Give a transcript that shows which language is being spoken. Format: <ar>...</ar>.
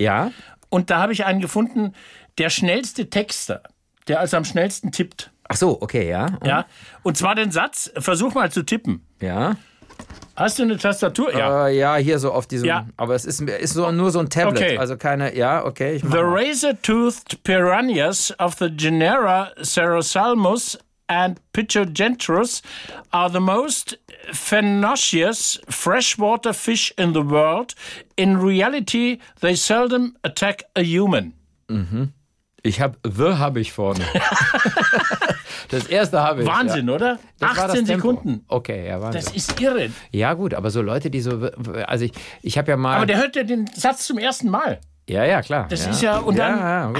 <de>Ja. Und da habe ich einen gefunden, der schnellste Texter, der also am schnellsten tippt. Ach so, okay, ja. Ja, und zwar den Satz, versuch mal zu tippen. Ja. Hast du eine Tastatur? Ja, hier so auf diesem, aber es ist so, nur so ein Tablet, okay. Also keine, okay. Ich</de> <en>the razor-toothed piranhas of the genera Cerasalmus and Pichogentrus are the most ferocious freshwater fish in the world. In reality, they seldom attack a human. Mhm.</en> <de>Ich habe The habe ich vorne. Das erste habe ich. Wahnsinn, oder? Das 18 Sekunden. Okay, ja, Wahnsinn. Das ist irre. Ja, gut, aber so Leute, die so. Also ich habe ja mal. Aber der hört ja den Satz zum ersten Mal. Ja, ja, klar. Das ist ja. Und dann. Ja, gut.</de>